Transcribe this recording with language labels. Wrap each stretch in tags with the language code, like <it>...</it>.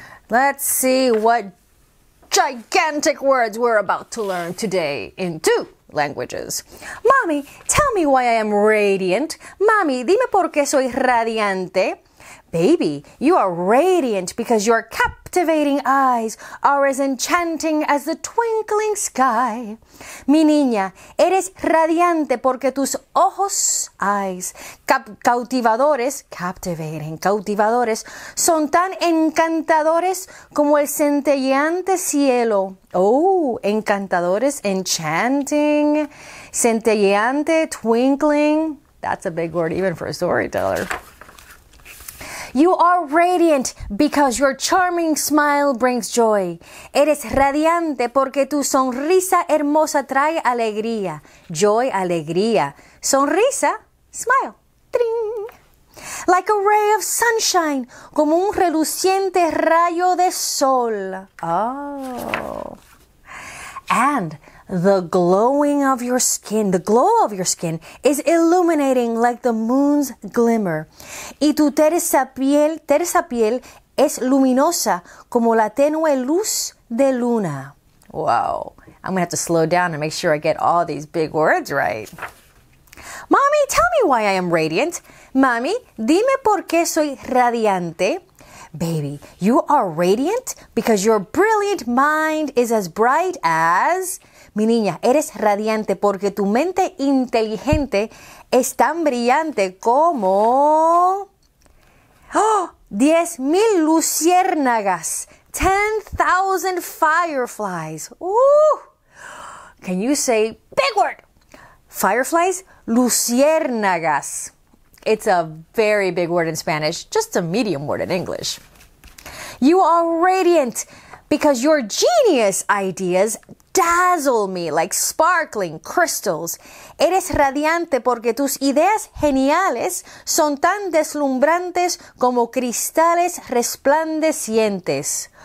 <en>Let's see what gigantic words we're about to learn today in two languages. Mommy, tell me why I am radiant. Mommy,</en> <es>dime por qué soy radiante.</es> <en>Baby, you are radiant because your captivating eyes are as enchanting as the twinkling sky.</en> <es>Mi niña, eres radiante porque tus ojos, eyes, cautivadores, son tan encantadores como el centelleante cielo.</es> <en>Oh, encantadores, enchanting, centelleante, twinkling. That's a big word even for a storyteller. You are radiant because your charming smile brings joy.</en> <es>Eres radiante porque tu sonrisa hermosa trae alegría.</es> <en>Joy, alegría. Sonrisa, smile. Tring. Like a ray of sunshine,</en> <es>como un reluciente rayo de sol.</es> <en>Oh. And the glowing of your skin, the glow of your skin is illuminating like the moon's glimmer.</en> <es>Y tu tersa piel es luminosa como la tenue luz de luna. Wow.</es> <en>I'm going to have to slow down and make sure I get all these big words right. Mommy, tell me why I am radiant. Mommy,</en> <es>dime por qué soy radiante.</es> <en>Baby, you are radiant because your brilliant mind is as bright as...</en> <es>Mi niña, eres radiante porque tu mente inteligente es tan brillante como...</es> <en>Oh, 10,000 luciérnagas, 10,000 fireflies. Ooh. Can you say big word? Fireflies, luciérnagas. It's a very big word in Spanish, just a medium word in English. You are radiant because your genius ideas dazzle me like sparkling crystals.</en> <es>Eres radiante porque tus ideas geniales son tan deslumbrantes como cristales resplandecientes.</es>